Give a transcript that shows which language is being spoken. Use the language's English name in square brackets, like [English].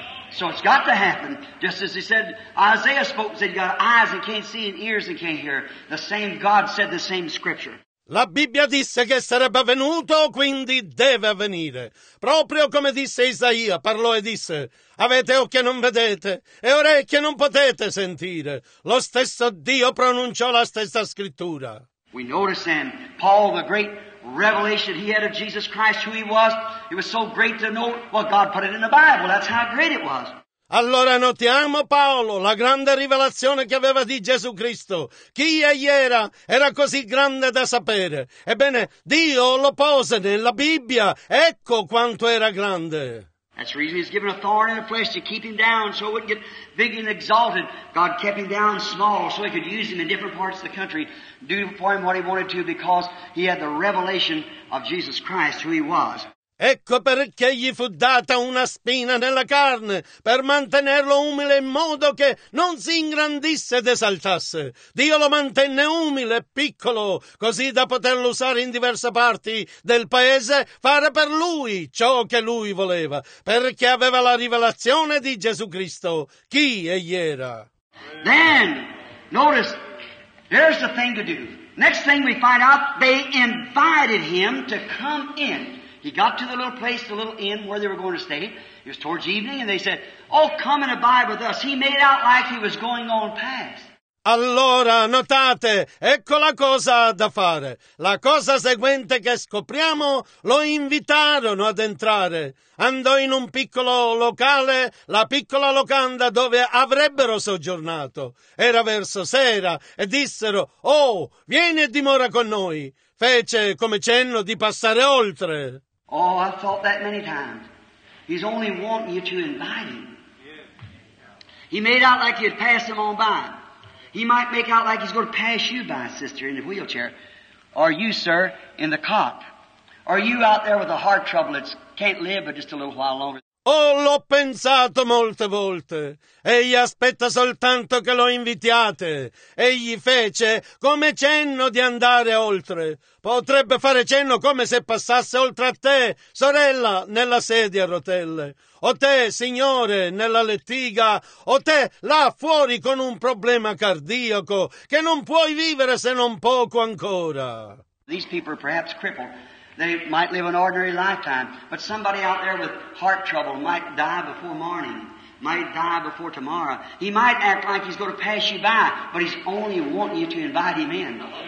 [English] So it's got to happen, just as he said, Isaiah spoke, said, you got eyes and can't see and ears and can't hear. The same God said the same scripture. [Italian] La Bibbia disse che sarebbe avvenuto, quindi deve avvenire. Proprio come disse Isaia, parlò e disse, avete occhi e non vedete, e orecchie non potete sentire. Lo stesso Dio pronunciò la stessa scrittura. [English] We notice then, Paul, the great revelation he had of Jesus Christ, who he was. It was so great to know, well, God put it in the Bible. That's how great it was. [Italian] Allora notiamo, Paolo, la grande rivelazione che aveva di Gesù Cristo. Chi egli era, era così grande da sapere. Ebbene, Dio lo pose nella Bibbia. Ecco quanto era grande. [English] That's the reason he's given a thorn in the flesh to keep him down so it wouldn't get big and exalted. God kept him down small so he could use him in different parts of the country, do for him what he wanted to, because he had the revelation of Jesus Christ, who he was. [Italian] Ecco perché gli fu data una spina nella carne, per mantenerlo umile in modo che non si ingrandisse ed esaltasse. Dio lo mantenne umile e piccolo, così da poterlo usare in diverse parti del paese, fare per lui ciò che lui voleva, perché aveva la rivelazione di Gesù Cristo, chi egli era. [English] Then, notice, there's the thing to do. Next thing we find out, they invited him to come in. He got to the little place, the little inn where they were going to stay. It was towards evening, and they said, oh, come and abide with us. He made out like he was going on past. [Italian] Allora, notate, ecco la cosa da fare. La cosa seguente che scopriamo, lo invitarono ad entrare. Andò in un piccolo locale, la piccola locanda dove avrebbero soggiornato. Era verso sera, e dissero, oh, vieni e dimora con noi. Fece come cenno di passare oltre. [English] Oh, I've thought that many times. He's only wanting you to invite him. He made out like you'd pass him on by. He might make out like he's going to pass you by, sister, in the wheelchair. Or you, sir, in the cot. Or you out there with a heart trouble that can't live but just a little while longer. [Italian] Oh, l'ho pensato molte volte. Egli aspetta soltanto che lo invitiate. Egli fece come cenno di andare oltre. Potrebbe fare cenno come se passasse oltre a te, sorella, nella sedia a rotelle. O te, signore, nella lettiga. O te, là fuori, con un problema cardiaco, che non puoi vivere se non poco ancora. [English] These people are perhaps crippled. They might live an ordinary lifetime, but somebody out there with heart trouble might die before morning, might die before tomorrow. He might act like he's going to pass you by, but he's only wanting you to invite him in.